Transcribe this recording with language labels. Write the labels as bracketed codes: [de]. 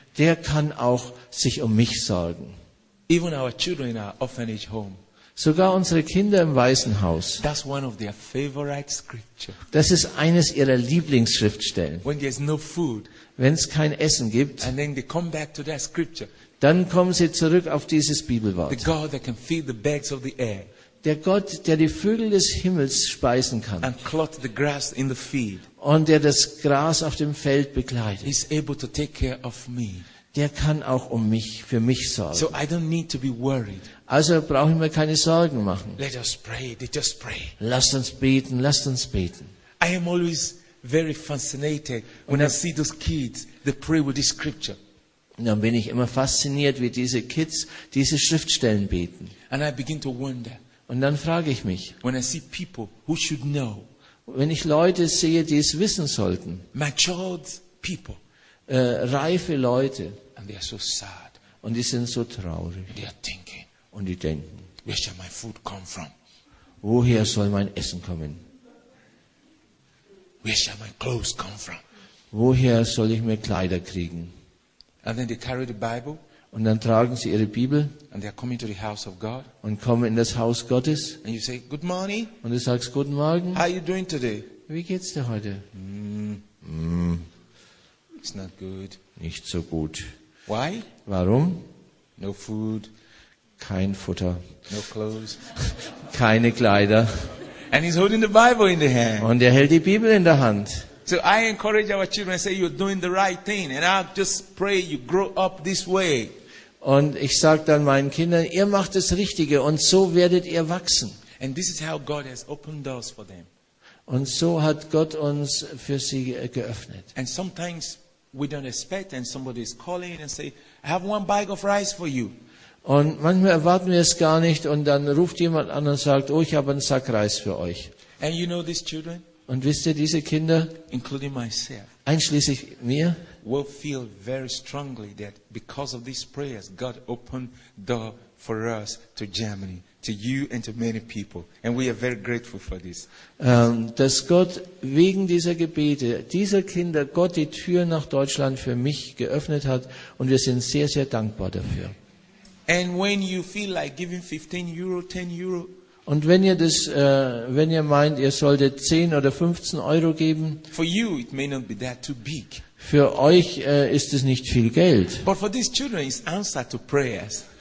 [de] Der kann auch sich um mich sorgen. [en] Even our children in our orphanage home. [de] Sogar unsere Kinder im Waisenhaus. [en] That's one of their favorite scripture. [de] Das ist eines ihrer Lieblingsschriftstellen. [en] When there's no food, [de] wenn es kein Essen gibt, [en] and then they come back to that scripture, [de] dann kommen sie zurück auf dieses Bibelwort. [en] The God that can feed the birds of the air, [de] der Gott, der die Vögel des Himmels speisen kann, [en] and clothe the grass in the field, [de] und der das Gras auf dem Feld begleitet, [en] is able to take care of me. [de] Der kann auch um mich, für mich sorgen. [en] So I don't need to be worried. [de] Also brauche ich mir keine Sorgen machen. [en] Let us pray, let us pray. [de] Lasst uns beten, lasst uns beten. [en] I am always very fascinated when I see those kids that pray with this scripture. [de] Und dann bin ich immer fasziniert, wie diese Kids diese Schriftstellen beten. [en] And I begin to wonder. [de] Und dann frage ich mich. [en] When I see people who should know. [de] Wenn ich Leute sehe, die es wissen sollten. [en] Matured people. [de] Reife Leute. [en] And they are so sad. [de] Und die sind so traurig. [en] They are thinking. [de] Und die denken. [en] Where shall my food come from? [de] Woher soll mein Essen kommen? [en] Where shall my clothes come from? [de] Woher soll ich mir Kleider kriegen? [en] And then they carry the Bible. [de] Und dann tragen sie ihre Bibel. [en] And they are coming to the house of God. [de] Und kommen in das Haus Gottes. [en] And you say, good morning. [de] Und du sagst, guten Morgen. [en] How are you doing today? [de] Wie geht's dir heute? [en] It's not good. [de] Nicht so gut. [en] Why? [de] Warum? [en] No food. [de] Kein Futter. [en] No clothes. [de] Keine Kleider. [en] And he's holding the Bible in the hand. [de] Und hält die Bibel in der Hand. [en] So I encourage our children and say, you're doing the right thing. And I just pray you grow up this way. [de] Und ich sage dann meinen Kindern, ihr macht das Richtige und so werdet ihr wachsen. [en] And this is how God has opened doors for them. [de] Und so hat Gott uns für sie geöffnet. [en] And sometimes we don't expect and somebody is calling and say, I have one bag of rice for you. [de] Und manchmal erwarten wir es gar nicht und dann ruft jemand an und sagt, oh, ich habe einen Sack Reis für euch. [en] And you know these children? [de] Und wisst ihr, diese Kinder, [en] including myself, [de] einschließlich mir, [en] will feel very strongly that because of these prayers, God opened door for us to Germany, to you and to many people. And we are very grateful for this. [de] Dass Gott wegen dieser Gebete, dieser Kinder, Gott die Tür nach Deutschland für mich geöffnet hat. Und wir sind sehr, sehr dankbar dafür. [en] And when you feel like giving 15 euro, 10 euro, [de] und wenn ihr das, wenn ihr meint, ihr solltet 10 oder 15 Euro geben, [en] for you it may not be that too big. [de] Für euch ist es nicht viel Geld. [en] But for these children, it's answer to prayers.